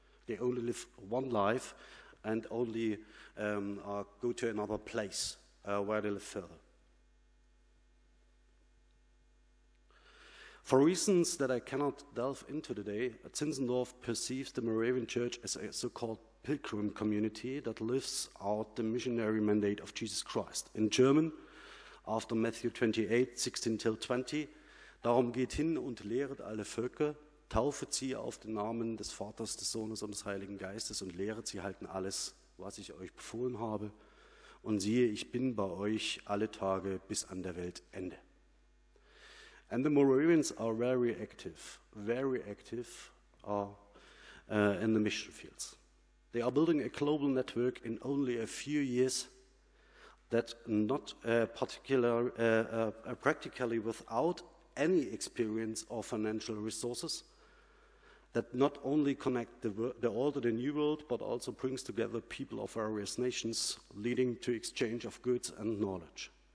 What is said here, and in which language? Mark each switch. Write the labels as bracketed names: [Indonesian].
[English] They only live one life and only go to another place where they live further. For reasons that I cannot delve into today, Zinzendorf perceives the Moravian Church as a so-called pilgrim community that lives out the missionary mandate of Jesus Christ. In German, after Matthew 28:16-20, [German] darum geht hin und lehret alle Völker, taufet sie auf den Namen des Vaters, des Sohnes und des Heiligen Geistes und lehret sie halten alles, was ich euch befohlen habe. Und siehe, ich bin bei euch alle Tage bis an der Weltende. [English] And the Moravians are very active in the mission fields. They are building a global network in only a few years that not practically without any experience or financial resources, that not only connect the old and the new world, but also brings together people of various nations, leading to exchange of goods and knowledge.